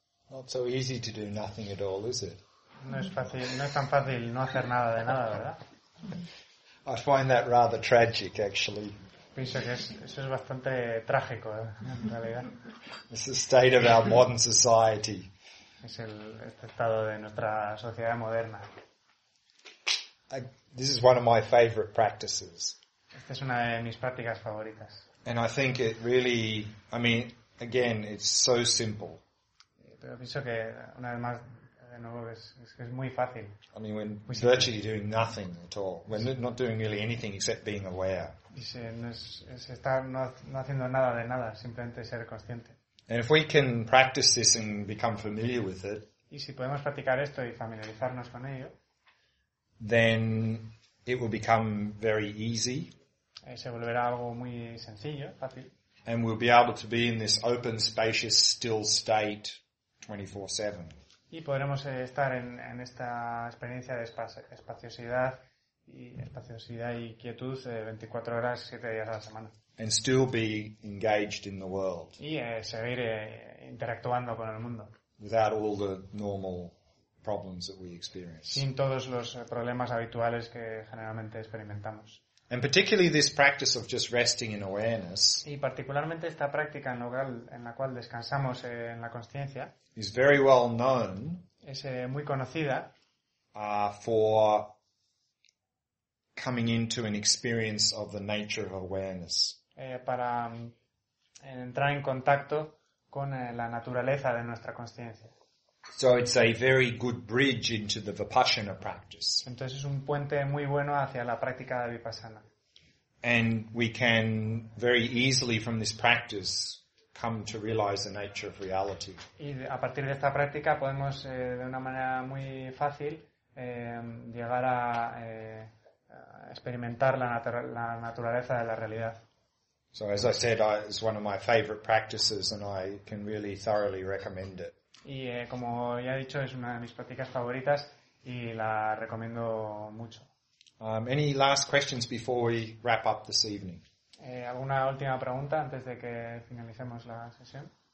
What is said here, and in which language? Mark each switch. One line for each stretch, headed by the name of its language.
English: Not so easy to do nothing at all, is it?
Spanish: No es fácil, no es tan fácil no hacer nada de nada, ¿verdad?
English: I find that rather tragic, actually.
Spanish: Pienso que eso es bastante trágico, en realidad.
English: It's the state of our modern society.
Spanish: Es el estado de nuestra sociedad moderna.
English: This is one of my favorite practices.
Spanish: Esta es una de mis prácticas favoritas.
English: And I think it really, I mean, again, it's so simple.
Spanish: Pero pienso que una vez más, de nuevo, es muy fácil.
English: I mean, when muy virtually simple. Doing nothing at all, when sí. Not doing really anything except being aware.
Spanish: Sí, es estar no haciendo nada de nada, simplemente ser consciente.
English: And if we can practice this and become familiar with it,
Spanish: y si podemos practicar esto y familiarizarnos con ello,
English: then it will become very easy.
Spanish: Se volverá algo muy sencillo, fácil.
English: And we'll be able to be in this open, spacious, still state 24/7.
Spanish: Y podremos estar en esta experiencia de espaciosidad y quietud 24 horas, 7 días a la semana.
English: And still be engaged in the world.
Spanish: Y seguir interactuando con el mundo.
English: Without all the normal problems that we experience.
Spanish: Sin todos los problemas habituales que generalmente experimentamos.
English: And particularly this practice of just resting in awareness.
Spanish: Y particularmente esta práctica en la cual descansamos en la consciencia.
English: Is very well known.
Spanish: Es muy conocida.
English: For coming into an experience of the nature of awareness.
Spanish: Para entrar en contacto con la naturaleza de nuestra consciencia.
English: So it's a very good bridge into the Vipassana practice.
Spanish: Entonces es un puente muy bueno hacia la práctica de Vipassana.
English: And we can very easily from this practice come to realize the nature of reality.
Spanish: Y a partir de esta práctica podemos de una manera muy fácil llegar a experimentar la naturaleza de la realidad.
English: So as I said, it's one of my favorite practices and I can really thoroughly recommend it.
Spanish: Y como ya he dicho, es una de mis prácticas favoritas y la recomiendo mucho.
English: Any last questions before we wrap up this evening?
Spanish: ¿Alguna última pregunta antes de que finalicemos la sesión?